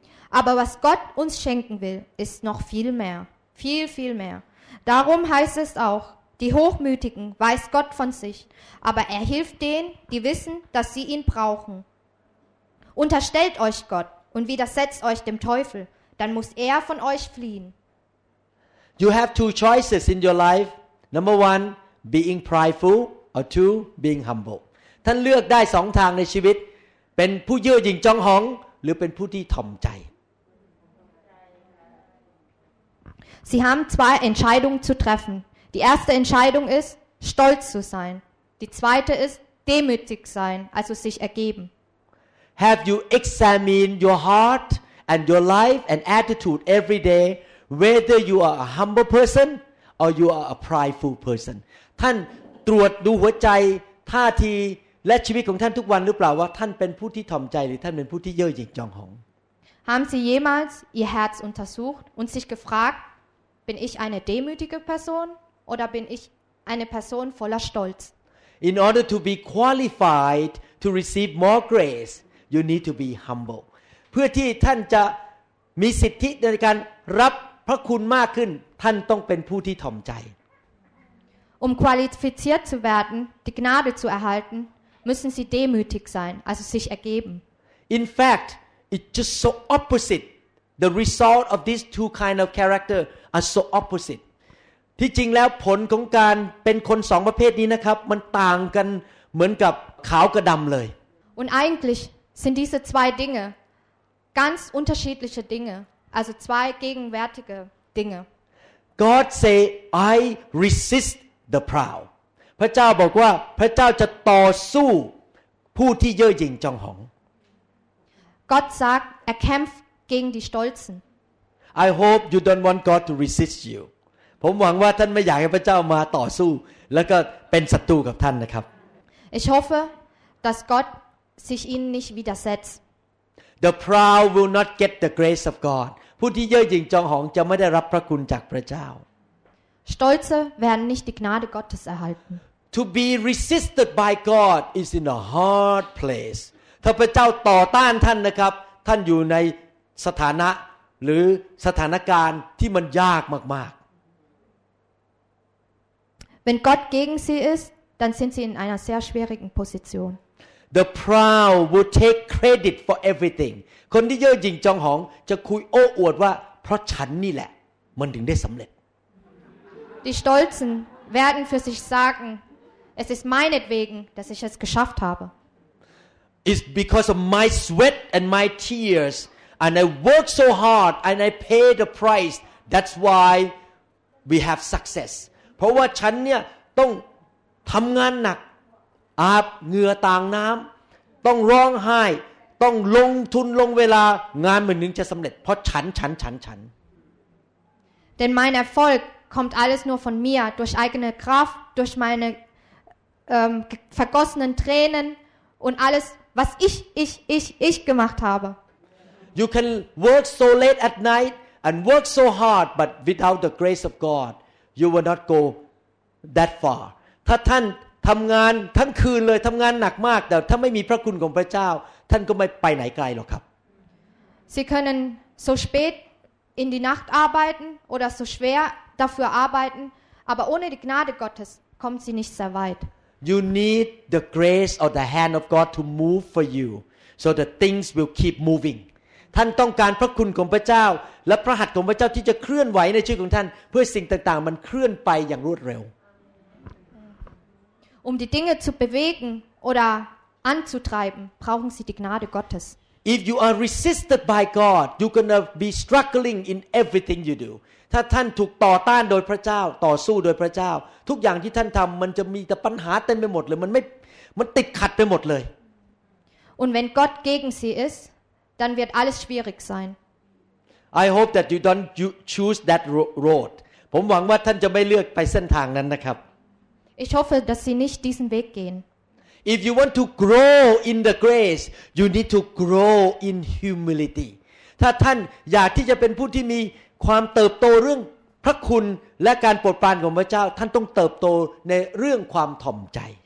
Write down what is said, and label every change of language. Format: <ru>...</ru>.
<de>Aber was Gott uns schenken will, ist noch viel mehr. Viel, viel mehr. Darum heißt es auch, die Hochmütigen weiß Gott von sich, aber er hilft denen, die wissen, dass sie ihn brauchen. Unterstellt euch Gott und widersetzt euch dem Teufel, dann muss er von euch fliehen.</de> <en>You have two choices in your life. Number one, being prideful. Or two, being humble.</en> <th>ท่านเลือกได้สองทางในชีวิตเป็นผู้ยื่อหยิ่งจองหองหรือเป็นผู้ที่ถ่อมใจ</th> <de>Sie haben zwei Entscheidungen zu treffen. Die erste Entscheidung ist, stolz zu sein. Die zweite ist, demütig sein, also sich ergeben.</de> <en>Have you examined your heart and your life and attitude every day whether you are a humble person or you are a prideful person?</en> <th>ท่านตรวจดูหัวใจ ท่าทีและชีวิตของท่านทุกวันหรือเปล่าว่าท่านเป็นผู้ที่ถ่อมใจหรือท่านเป็นผู้ที่เย่อหยิ่งจองหง</th> <de>Haben Sie jemals Ihr Herz untersucht und sich gefragt, bin ich eine demütige Person oder bin ich eine Person voller Stolz?</de> <en>In order to be qualified to receive more grace, you need to be humble.</en> <th>เพื่อที่ท่านจะมีสิทธิในการรับพระคุณมากขึ้นท่านต้องเป็นผู้ที่ถ่อมใจ</th> <de>qualifiziert zu werden, die Gnade zu erhalten, müssen sie demütig sein, also sich ergeben.</de> <en>In fact, it's just so opposite. The result of these two kind of character are so opposite.</en> <th>ที่จริงแล้วผลของการเป็นคนสองประเภทนี้นะครับมันต่างกันเหมือนกับขาวกับดําเลย</th> <de>Und eigentlich sind diese zwei Dinge ganz unterschiedliche Dinge, also zwei gegenwärtige Dinge.</de> <en>God say, I resistthe proud</en> <th>พระเจ้าบอกว่าพระเจ้าจะต่อสู้ผู้ที่เย่อหยิ่งจองหง</th> <de>God sagt er kämpft gegen die stolzen</de> <en>I hope you don't want God to resist you</en> <th>ผมหวังว่าท่านไม่อยากให้พระเจ้ามาต่อสู้แล้วก็เป็นศัตรูกับท่านนะครับ</th> <de>Ich hoffe dass Gott sich ihnen nicht widersetzt</de> <en>The proud will not get the grace of God</en> <th>ผู้ที่เย่อหยิ่งจองหงจะไม่ได้รับพระคุณจากพระเจ้า</th> <de>Stolze werden nicht die Gnade Gottes erhalten.</de> <en>To be resisted by God is in a hard place.</en> <th>ถ้าพระเจ้าต่อต้านท่านนะครับท่านอยู่ในสถานะหรือสถานการณ์ที่มันยากมาก</th> <de>ๆ Wenn Gott gegen Sie ist, dann sind Sie in einer sehr schwierigen Position.</de> <en>The proud will take credit for everything.</en> <th>คนที่เย่อหยิ่งจองหงจะคุยโอ้อวดว่าเพราะฉันนี่แหละมันถึงได้สำเร็จ</th> <de>Die Stolzen werden für sich sagen, es ist meinetwegen, dass ich es geschafft habe.</de> <en>It's because of my sweat and my tears, and I worked so hard, and I paid the price. That's why we have success.</en> <th>เพราะว่าฉันเนี่ยต้องทำงานหนักอาบเหงื่อต่างน้ำต้องร้องไห้ต้องลงทุนลงเวลางานมันถึงจะสำเร็จเพราะฉัน</th> <de>Denn mein ErfolgKommt alles nur von mir, durch eigene Kraft, durch meine vergossenen Tränen und alles, was ich gemacht habe.</de> <en>You can work so late at night and work so hard, but without the grace of God, you will not go that far.</en> <th>ถ้าท่านทำงานทั้งคืนเลยทำงานหนักมากแต่ถ้าไม่มีพระคุณของพระเจ้าท่านก็ไม่ไปไหนไกลหรอกครับ</th> <de>Sie können so spät in die Nacht arbeiten oder so schwerDafür arbeiten, aber ohne die Gnade Gottes kommen sie nicht sehr weit.</de> <en>You need the grace of the hand of God to move for you, so the things will keep moving.</en> <th>ท่านต้องการพระคุณของพระเจ้าและพระหัตถ์ของพระเจ้าที่จะเคลื่อนไหวในชีวิตของท่านเพื่อสิ่งต่างๆมันเคลื่อนไปอย่างรวดเร็ว</th> <de>Um die Dinge zu bewegen oder anzutreiben, brauchen Sie die Gnade Gottes.</de> <en>If you are resisted by God, you're gonna be struggling in everything you do.</en> <th>ถ้าท่านถูกต่อต้านโดยพระเจ้าต่อสู้โดยพระเจ้าทุกอย่างที่ท่านทำมันจะมีแต่ปัญหาเต็มไปหมดเลยมันติดขัดไปหมดเลย</th> <de>Und wenn Gott gegen Sie ist, dann wird alles schwierig sein.</de> <en>I hope that you don't choose that road.</en> <th>ผมหวังว่าท่านจะไม่เลือกไปเส้นทางนั้นนะครับ</th> <de>Ich hoffe, dass Sie nicht diesen Weg gehen.</de> <en>If you want to grow in the grace, you need to grow in humility.</en> <th>ถ้าท่านอยากที่จะเป็นผู้ที่มีความเติบโตเรื่องพระคุณและการโปรดปรานของพระเจ้าท่านต้องเติบโตในเรื่องความถ่อมใจ</th>